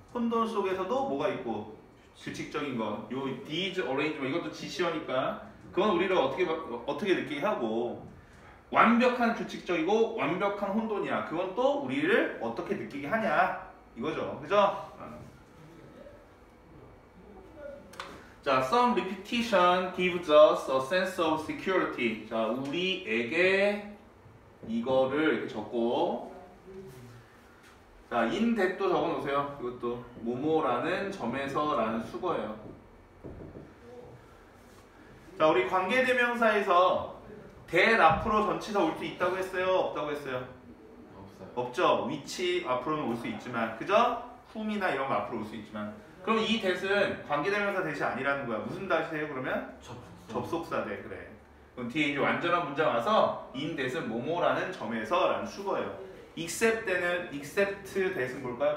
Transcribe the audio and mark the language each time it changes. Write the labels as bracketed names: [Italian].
[Korean] 혼돈 속에서도 뭐가 있고, 규칙적인 거. 요 [English] these arrangement [Korean] 이것도 지시어니까 그건 우리를 어떻게 느끼게 하고, 완벽한 규칙적이고 완벽한 혼돈이야. 그건 또 우리를 어떻게 느끼게 하냐 이거죠, 그죠? [English] 자, some repetition gives us a sense of security. [Korean] 자, 우리에게 이거를 이렇게 적고, 자, in that도 적어놓으세요. 이것도 뭐뭐라는 점에서라는 수거예요. 자, 우리 관계대명사에서 that 앞으로 전치사 올 수 있다고 했어요? 없다고 했어요? 없어요. 없죠. which 앞으로는 올 수 있지만, 그죠? whom이나 이런 거 앞으로 올 수 있지만, 그럼 이 that은 관계대명사 that이 아니라는 거야. 무슨 that이에요 그러면? 접속사 [English] that. [Korean] 그래, 그럼 뒤에 이제 완전한 문장 와서 in that은 뭐뭐라는 점에서 라는 수거예요. except that은, except that은 뭘까요?